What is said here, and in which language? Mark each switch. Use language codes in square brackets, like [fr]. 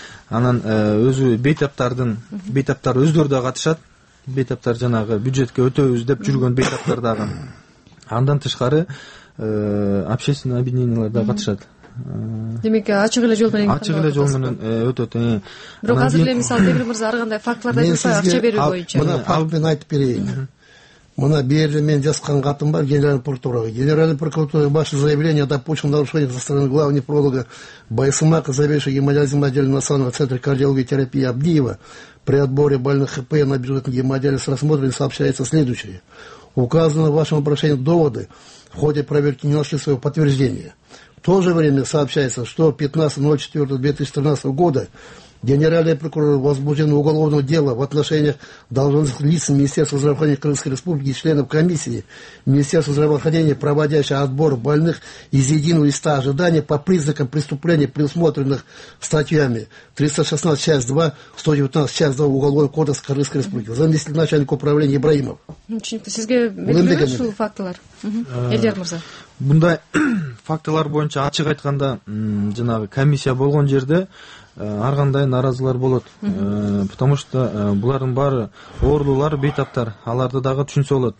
[ky] Анан өзү бейтаптардын бейтаптар өздөрү да катышат, бейтаптар жанагы бюджетке өтөбүз деп жүргөн бейтаптар дагы. Андан тышкары общественный объединениялар да катышат. Демек ачык эле жол менен ачык эле жол менен өтөт. Бирок азыр эле мисалы Темир мырза ар кандай фактыларды айтса, акча берүү боюнча мына факт менен айтып берейин. Мына бери мен жазган катым бар генеральный прокуратурага. [ru] Генеральный прокуратура ваше заявление о допущенном нарушении со стороны главного нефролога Байсымака, заведующего гемодиализом отделения Национального центра кардиологии и терапии Абдиева при отборе больных ХП на бюджетный гемодиализ рассмотрен, сообщается следующее. Указаны в вашем обращении доводы, в ходе проверки не нашли своего подтверждения. В то же время сообщается, что 15.04.2013 года генеральный прокурор возбужден уголовное дело в отношении должностных лиц Министерства здравоохранения Кыргызской Республики и членов комиссии Министерства здравоохранения, проводящей отбор больных из единого листа ожидания по признакам преступления, предусмотренных статьями 316, часть 2, 119, часть 2 Уголовного кодекса Кыргызской Республики. Заместитель начальника управления Ибраимов. [ky] Сизге билдирүү фактылар. Элдер мырза. Мындай фактылар боюнча ачык айтканда жанагы комиссия болгон жерде ар кандай нааразылар болот. Потому что булардын баары оорулуулар, бейтаптар, аларды дагы түшүнсө болот.